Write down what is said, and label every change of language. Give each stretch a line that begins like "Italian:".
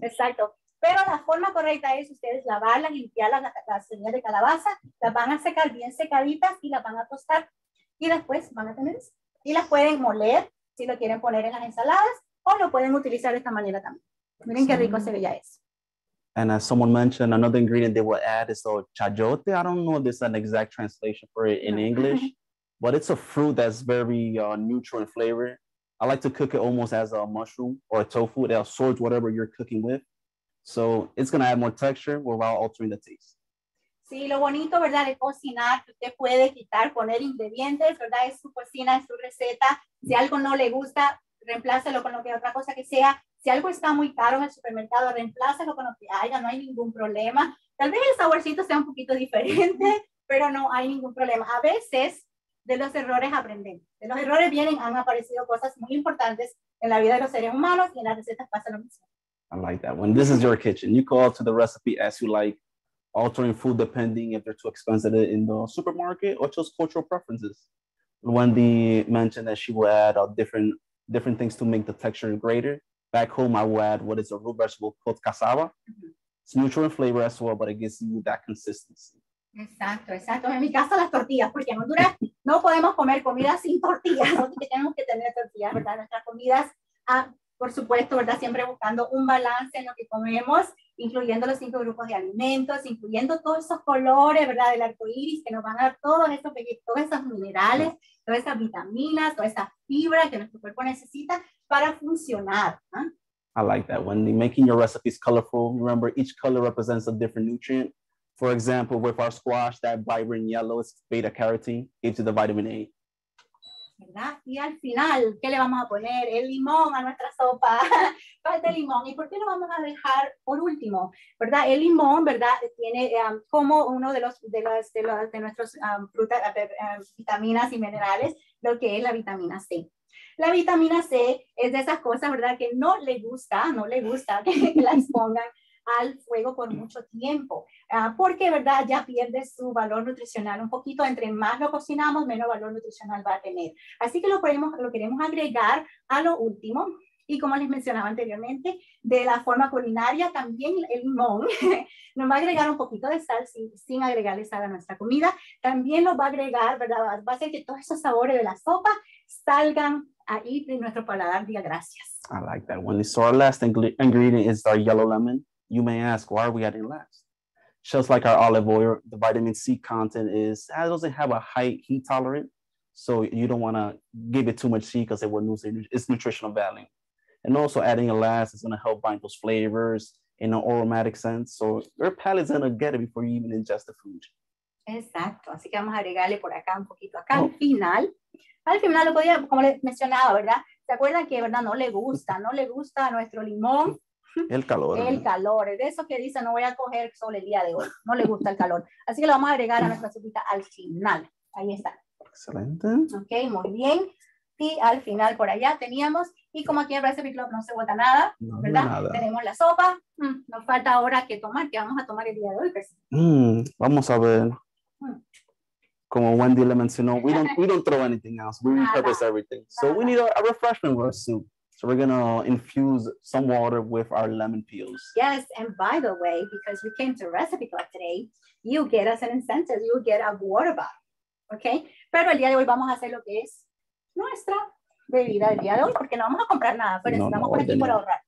Spanish: Exacto. Pero la forma correcta es ustedes lavarlas, limpiarlas, las semillas de calabaza, las van a secar bien secaditas y las van a tostar. Y después van a tener eso. Y las pueden moler si lo quieren poner en las ensaladas o lo pueden utilizar de esta manera también. Miren qué rico se ve ya eso.
English: And as someone mentioned, another ingredient they will add is the chayote. I don't know if there's an exact translation for it in English, but it's a fruit that's very neutral in flavor. I like to cook it almost as a mushroom or a tofu, or swords, whatever you're cooking with. So it's going to add more texture without altering the taste.
Spanish: Sí, lo bonito, ¿verdad? De cocinar, que usted puede quitar, poner ingredientes, ¿verdad? Es su cocina, es su receta. Si algo no le gusta, reemplácelo con lo que otra cosa que sea. Si algo está muy caro en el supermercado, reemplácelo con lo que haya, no hay ningún problema. Tal vez el saborcito sea un poquito diferente, pero no hay ningún problema. A veces de los errores aprenden. De los errores vienen, han aparecido cosas muy importantes en la vida de los seres humanos y en las recetas pasa lo mismo.
English: I like that one. This is your kitchen. You go to the recipe as you like, altering food depending if they're too expensive in the supermarket or just cultural preferences. Wendy mentioned that she will add different things to make the texture greater. Back home, I will add what is a root vegetable called cassava. Mm-hmm. It's neutral in flavor as well, but it gives you that consistency.
Spanish: Exacto. En mi casa las tortillas, porque en Honduras no podemos comer comida sin tortillas. Tenemos que tener tortillas, ¿verdad? Nuestras comidas, por supuesto, ¿verdad? Siempre buscando un balance en lo que comemos, incluyendo los cinco grupos de alimentos, incluyendo todos esos colores, ¿verdad? Del arco iris, que nos van a dar todos esos minerales, todas esas vitaminas, toda esa fibra que nuestro cuerpo necesita para funcionar.
English: I like that. When making your recipes colorful, remember each color represents a different nutrient. For example, with our squash, that vibrant yellow is beta carotene, gives you the vitamin A.
Spanish: ¿Verdad? Y al final, ¿qué le vamos a poner? El limón a nuestra sopa. Falta el limón. ¿Y por qué lo vamos a dejar por último? ¿Verdad? El limón, ¿verdad? Tiene como uno de nuestros vitaminas y minerales, lo que es la vitamina C. La vitamina C es de esas cosas, ¿verdad? Que no le gusta que la expongan al fuego por mucho tiempo, porque, ¿verdad?, ya pierde su valor nutricional un poquito. Entre más lo cocinamos, menos valor nutricional va a tener. Así que lo queremos agregar a lo último. Y como les mencionaba anteriormente, de la forma culinaria, también el limón nos va a agregar un poquito de sal sin agregarle sal a nuestra comida. También nos va a agregar, ¿verdad?, va a hacer que todos esos sabores de la sopa salgan ahí de nuestro paladar. Diga gracias.
English: I like that one. So our last ingredient is our yellow lemon. You may ask, why are we adding last? Just like our olive oil, the vitamin C content doesn't have a high heat tolerant. So you don't want to give it too much heat because it will lose its nutritional value. And also adding a last is going to help bind those flavors in an aromatic sense. So your palate's going to get it before you even ingest the food.
Spanish: Exacto. Así que vamos a agregarle por acá un poquito. Acá al final, como les mencionaba, ¿verdad? ¿Se acuerdan que, verdad, no le gusta nuestro limón? El calor, es de eso que dice, no voy a coger sol el día de hoy, no le gusta el calor. Así que lo vamos a agregar a nuestra sopita al final, ahí está. Excelente. Ok, muy bien, y al final por allá teníamos, y como aquí en Recipe Club no se bota nada, no, ¿verdad? Nada. Tenemos la sopa, nos falta ahora que tomar, que vamos a tomar el día de hoy. Vamos a ver, como Wendy le mencionó,
English: we don't throw anything else, we repurpose everything.
Spanish: Nada.
English: So we need a refreshment for our soup. So we're going to infuse some water with our lemon peels. Yes, and by the way, because you came to Recipe Club today, you get us an incentive. You get a water bottle, okay?
Spanish: Pero el día de hoy vamos a hacer lo que es nuestra bebida del día de hoy, porque no vamos a comprar nada, pero estamos por aquí por ahorrar.